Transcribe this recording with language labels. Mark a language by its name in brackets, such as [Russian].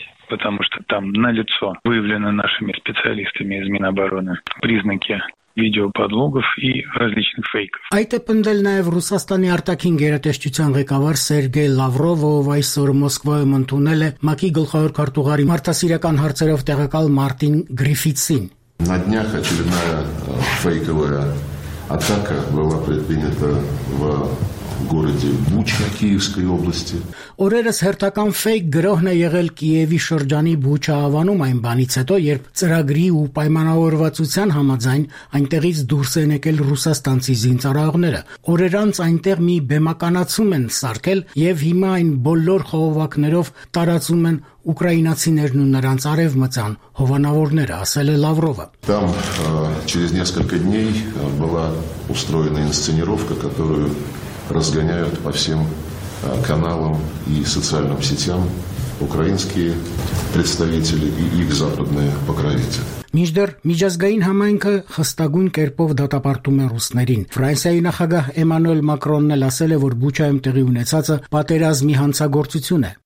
[Russian] Потому что там на лицо выявлены нашими специалистами из Минобороны признаки видеоподлогов и различных фейков. [Armenian] Այդ է պնդել նաև Ռուսաստանի արտաքին գերատեսչության ղեկավար Սերգեյ Լավրովը, ով այսօր Մոսկվայում ընդունել է ՄԱԿ-ի գլխավոր քարտուղարի մարդասիրական հարցերով տեղակալ Մարտին Գրիֆիցին։ [Russian] На днях очередная фейковая атака была предпринята в городе Буча Киевской области. [Armenian] Օրերս հերթական ֆեյք գրողն է եղել Կիևի շրջանի Բուչա ավանում այն բանից հետո, երբ ծրագրի ու պայմանավորվածության համաձայն այնտեղից դուրս են եկել ռուսաստանցի զինծառայողները։ Օրեր անց այնտեղ մի բեմականացում են սարքել եւ հիմա այն բոլոր խողովակներով տարածում են ուկրաինացիներն ու նրանց արևմտյան հովանավորները, ասել է Լավրովը։ [Russian] Там через несколько дней была устроена инсценировка, которую разгоняют по всем каналам и социальным сетям украинские представители и их западные покровители. [Armenian] Միջդեռ միջազգային համայնքը խստագույն կերպով դատապարտում է ռուսներին։ Ֆրանսիայի նախագահ Էմանուել Մակրոնն էլ ասել է, որ Բուչայում տեղի ունեցածը պատերազմի հանցագործություն է։